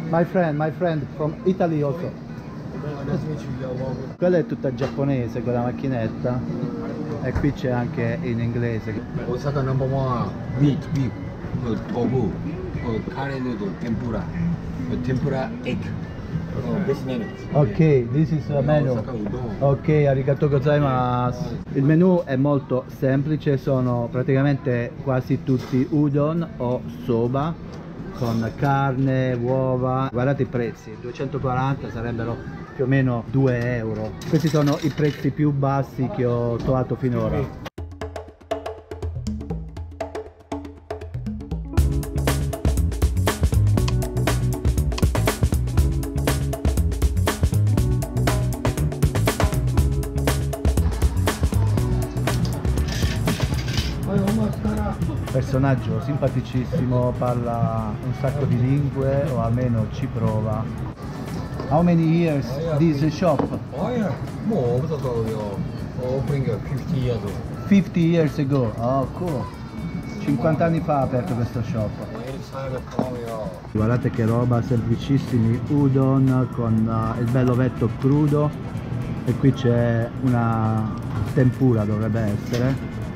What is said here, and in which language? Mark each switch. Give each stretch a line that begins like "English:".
English: My friend from Italy also.
Italian: Quella è tutta giapponese, quella macchinetta. E qui c'è anche in inglese.
English: Osaka number one, meat, tofu, curry noodle, tempura. Tempura egg. This menu. Ok, this is the menu. Ok,
Japanese: arigato gozaimasu.
Italian: Il menu è molto semplice, sono praticamente quasi tutti udon o soba con carne, uova. Guardate i prezzi, 240 sarebbero più o meno 2 euro. Questi sono i prezzi più bassi che ho trovato finora. Personaggio simpaticissimo, parla un sacco di lingue, o almeno ci prova.
English: How many years this shop? Oh yeah, more than opening 50 years ago. 50 years ago, oh cool.
Italian: 50 anni fa ha aperto questo shop. Guardate che roba, semplicissimi udon con il bello vetto crudo. E qui c'è una tempura, dovrebbe essere.